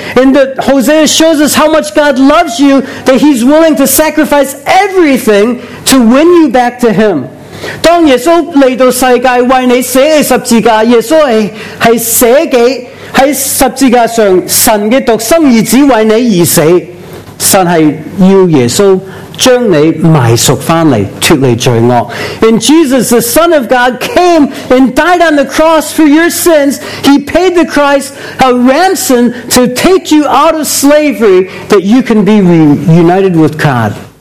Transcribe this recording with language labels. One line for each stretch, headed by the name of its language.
English: And Hosea shows us how much God loves you, that He's willing to sacrifice everything to win you back to Him.
Chinese: 当耶稣来到世界为你死在十字架，耶稣是舍己在十字架上神的独生儿子为你而死。神是要耶稣将你埋赎回来，脱离罪恶。
English: And Jesus, the Son of God, came and died on the cross for your sins. He paid the price, a ransom, to take you out of slavery that you can be reunited with God.